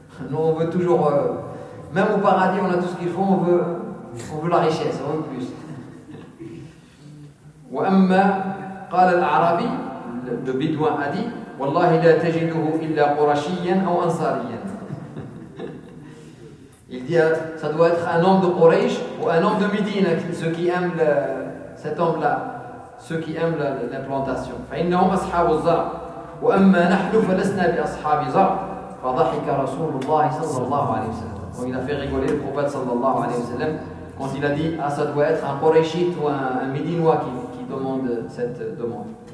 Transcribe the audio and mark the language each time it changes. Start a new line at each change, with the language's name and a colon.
French: Nous, on veut toujours, même au paradis, on a tout ce qu'il faut, on veut la richesse, on veut plus.
Arabic: وأما قال العربي لبدوان أدي والله لا تجده إلا قرشيا أو أنصاريا.
French: Il dit, ça doit être un homme de Quraysh ou un homme de Médine, ceux qui aiment le, cet homme-là, ceux qui aiment le, l'implantation.
Arabic: فإنهم أصحاب الزرع وأما نحن فلسنا بأصحاب زرع. فضحك رسول الله صلى الله عليه وسلم.
French: Il a fait rigoler le prophète
Arabic: صلى الله عليه وسلم
French: quand il a dit, ah, ça doit être un Quraishite ou un Médinois qui demande cette demande.